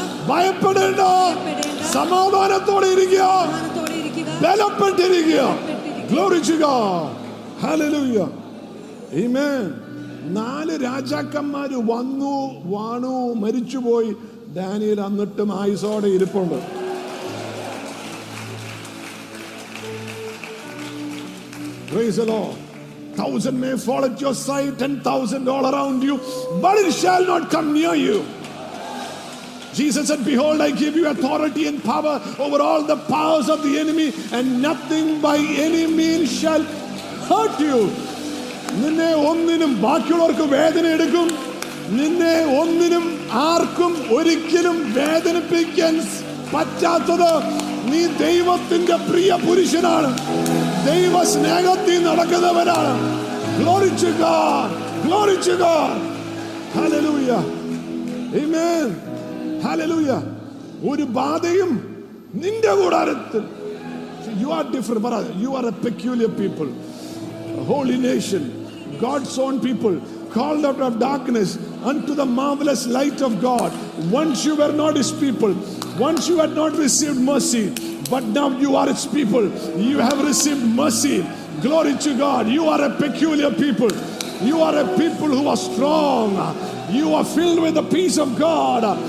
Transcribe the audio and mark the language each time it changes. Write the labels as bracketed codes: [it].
[ml] ഭയപ്പെടേണ്ട സമാധാനത്തോടെ ഇരിക്കുക ബലപ്പെട്ടിരിക്കുക [en] glory to God [ml] ഹല്ലേലൂയ ആമേൻ നാല് രാജാക്കന്മാർ വന്നു വാണു മരിച്ചുപോയി ദാനിയേൽ അന്നിട്ടും ആയുസോടെ ഇരിപ്പുണ്ട് [en] Praise the Lord Thousand may fall at your side, 10,000 all around you, but it shall not come near you. Jesus said, Behold, I give you authority and power over all the powers of the enemy, and nothing by any means shall hurt you. [ml] Ninne onninum baakiyullavarku vedana edukkum, ninne onninum aarkkum orikkalum vedanippikkan pattathathu. നീ ദൈവത്തിന്റെ പ്രിയ പുരുഷനാണ് ദൈവ സ്നേഹത്തിൽ നടക്കുന്നവനാണ് [en] glory to God glory to God hallelujah amen hallelujah [ml] ഒരു ബാധയും നിന്റെ കൂടാരത്തിൽ [en] You are different you are a peculiar people holy nation God's own people called out of darkness unto the marvelous light of God. Once you were not his people, once you had not received mercy, but now you are his people. You have received mercy. Glory to God. You are a peculiar people. You are a people who are strong. You are filled with the peace of God.